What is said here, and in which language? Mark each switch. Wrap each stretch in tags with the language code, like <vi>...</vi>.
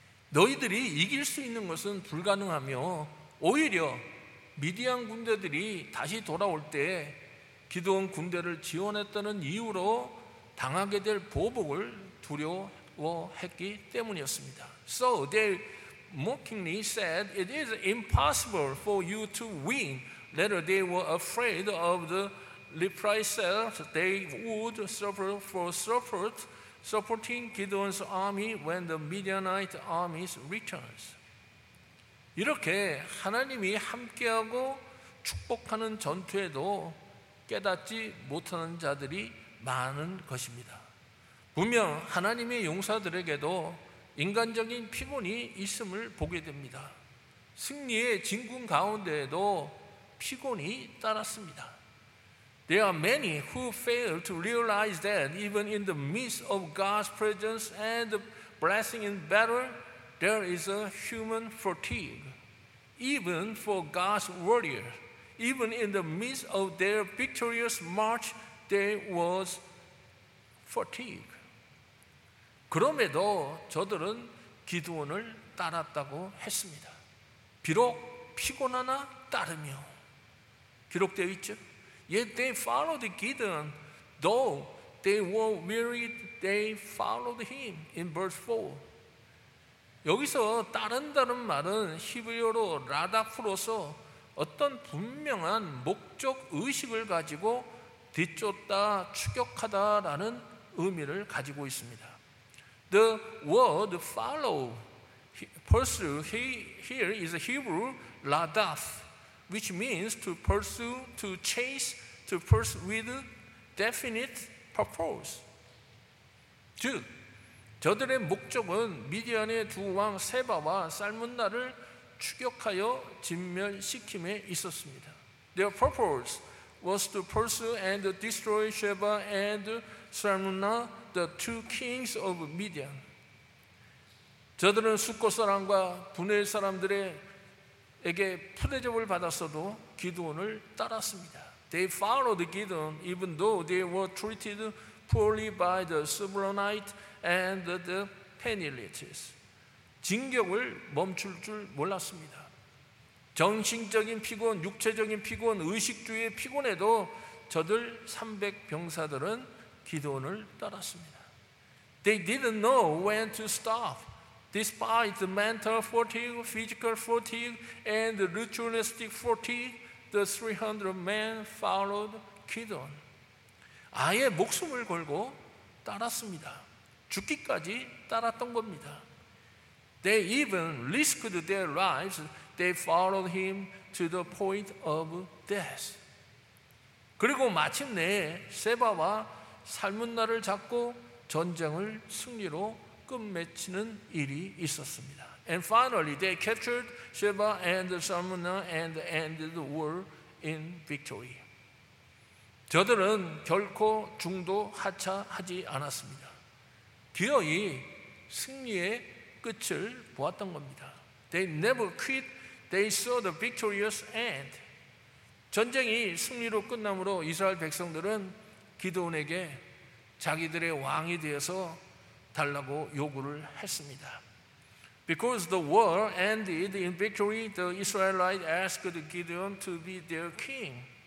<ko>너희들이 이길 수 있는 것은 불가능하며 오히려 미디안 군대들이 다시 돌아올 때 기드온 군대를 지원했다는 이유로 당하게 될 보복을 두려워했기 때문이었습니다.</ko> <en>So they mockingly said, "It is impossible for you to win." Later, they were afraid of the reprisals they would suffer for supporting Gideon's army when the Midianite armies returns.</en> <ko>이렇게 하나님이 함께하고 축복하는 전투에도 깨닫지 못하는 자들이 많은 것입니다. 분명 하나님의 용사들에게도 인간적인 피곤이 있음을 보게 됩니다. 승리의 진군 가운데에도 피곤이 따랐습니다.</ko> <en>There are many who fail to realize that even in the midst of God's presence and blessing in battle, there is a human fatigue. Even for God's warrior, even in the midst of their victorious march, there was fatigue.</en> <ko>그럼에도 저들은 기드온을 따랐다고 했습니다. 비록 피곤하나 따르며 기록되어 있죠.</ko> <en>Yet they followed Gideon Though they were weary, they followed him in verse 4.</en> <ko>여기서 따른다는 말은 히브리어로 라다프로서 어떤 분명한 목적 의식을 가지고 뒤쫓다, 추격하다라는 의미를 가지고 있습니다.</ko> <en>The word follow, pursue here is a Hebrew radaf, which means to pursue, to chase, to pursue with definite purpose.</en> <ko>즉, 저들의 목적은 미디안의 두 왕 세바와 살문나를 추격하여 진멸시킴에 있었습니다.</ko> <en>Their purpose was to pursue and destroy Sheba and Salmunna, the two kings of Midian.</en> <ko>저들은 수꼿 사람과 분의 사람들에게 푸대접을 받았어도 기드온을 따랐습니다.</ko> <en>They followed Gideon even though they were treated poorly by the Sibronite and the Penelites.</en> <ko>진격을 멈출 줄 몰랐습니다. 정신적인 피곤, 육체적인 피곤, 의식주의의 피곤에도 저들 300병사들은 기드온을 따랐습니다.</ko> <en>They didn't know when to stop. Despite the mental fatigue, physical fatigue, and the ritualistic fatigue, the 300 men followed Gideon.</en> <ko>아예 목숨을 걸고 따랐습니다. 죽기까지 따랐던 겁니다.</ko> <en>They even risked their lives. They followed him to the point of death.</en> <ko>그리고 마침내 세바와 살문나를 잡고 전쟁을 승리로 끝마치는 일이 있었습니다.</ko> <en>And finally, they captured Sheba and Salmunna and ended the war in victory.</en> <ko>저들은 결코 중도 하차하지 않았습니다. 기어이 승리의 끝을 보았던 겁니다.</ko> <en>They never quit. They saw the victorious end.</en> <ko>전쟁이 승리로 끝나므로 이스라엘 백성들은 기드온에게 자기들의 왕이 되어서 달라고 요구를 했습니다.</ko> <en>Because the war ended in victory, the Israelites asked Gideon to be their king.</en>